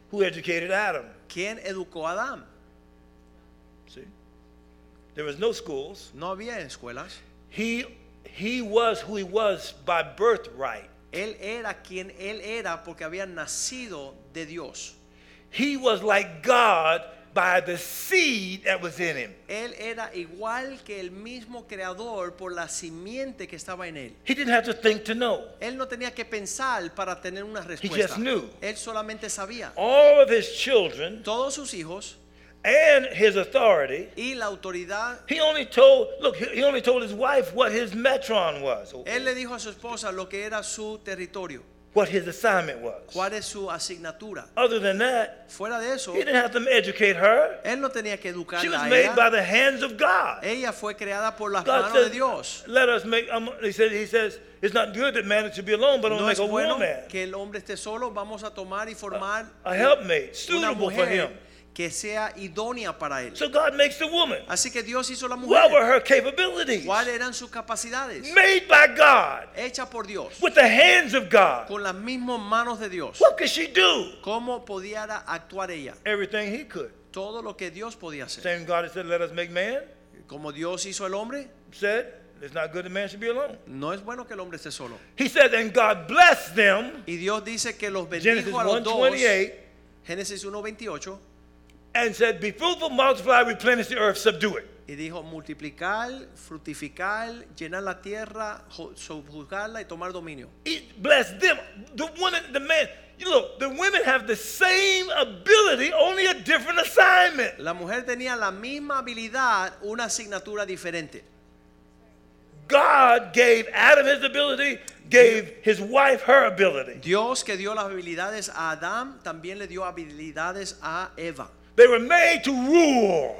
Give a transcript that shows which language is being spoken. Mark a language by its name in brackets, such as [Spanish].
[English] Who educated Adam? [Spanish] ¿Quién educó a Adam? [English] See? There was no schools. [Spanish] No había escuelas. [English] He was who he was by birthright. [Spanish] Él era quien él era porque había nacido de Dios. [English] He was like God by the seed that was in him. [Spanish] Él era igual que el mismo creador por la simiente que estaba en él. [English] He didn't have to think to know. [Spanish] Él no tenía que pensar para tener una respuesta. [English] He just knew. [Spanish] Él solamente sabía. [English] All of his children, [Spanish] todos sus hijos, [English] and his authority, [Spanish] y la autoridad. [English] He only told his wife what his metron was. [Spanish] Él le dijo a su esposa lo que era su territorio. [English] What his assignment was. [Spanish] ¿Cuál es su asignatura? [English] Other than that, [Spanish] fuera de eso, [English] he didn't have to educate her. [Spanish] Él no tenía que educarla. [English] She was made [Spanish] ella [English] by the hands of God. [Spanish] Ella fue creada por las manos de Dios. [English] Let us make. He says, it's not good that man should be alone, but I'm going to make a [Spanish] bueno [English] woman. [Spanish] Que el hombre esté solo. Vamos a tomar y formar [English] a helpmate suitable for him. [Spanish] Que sea idónea para él. [English] So God makes the woman. [Spanish] Así que Dios hizo la mujer. [English] What were her capabilities? [Spanish] ¿Cuáles eran sus capacidades? [English] Made by God. [Spanish] Hecha por Dios. [English] With the hands of God. [Spanish] Con las mismas manos de Dios. [English] What could she do? [Spanish] ¿Cómo podía actuar ella? [English] Everything he could. [Spanish] Todo lo que Dios podía hacer. [English] Same God said, let us make man. [Spanish] Como Dios hizo el hombre. [English] Said, it's not good that man should be alone. [Spanish] No es bueno que el hombre esté solo. [English] He said, and God blessed them. [Spanish] Y Dios dice que los bendijo a los dos. Génesis 1:28. [English] And said, be fruitful, multiply, replenish the earth, subdue it. [Spanish] Y dijo, multiplicar, fructificar, llenar la tierra, subjugarla y tomar dominio. [English] It blessed them. The woman, the man. You look, the women have the same ability, only a different assignment. [Spanish] La mujer tenía la misma habilidad, una asignatura diferente. [English] God gave Adam his ability, gave his wife her ability. [Spanish] Dios que dio las habilidades a Adam, también le dio habilidades a Eva. [English] They were made to rule.